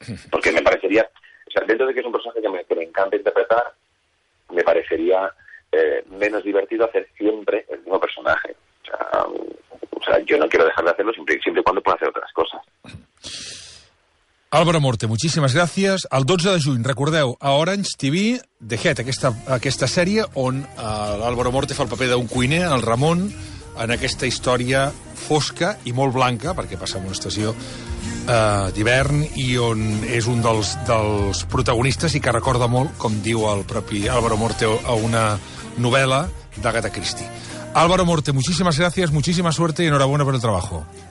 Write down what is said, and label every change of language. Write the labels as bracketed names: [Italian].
[Spanish] Porque me parecería, o sea, dentro de que es un personaje que me encanta interpretar, me parecería menos divertido hacer siempre el mismo personaje. O sea, yo no quiero dejar de hacerlo siempre y cuando pueda hacer otras cosas. Álvaro Morte, muchísimas gracias. [Catalan] El 12 de juny, recordeu, a Orange TV, The Head, aquesta sèrie on l'Álvaro Morte fa el paper d'un cuiner, el Ramon, en aquesta història fosca i molt blanca, perquè passa en una estació d'hivern, i on és un dels protagonistes i que recorda molt, com diu el propi Álvaro Morte, a una novel·la d'Agatha Christie. [Spanish] Álvaro Morte, muchísimas gracias, muchísima suerte y enhorabuena por el trabajo.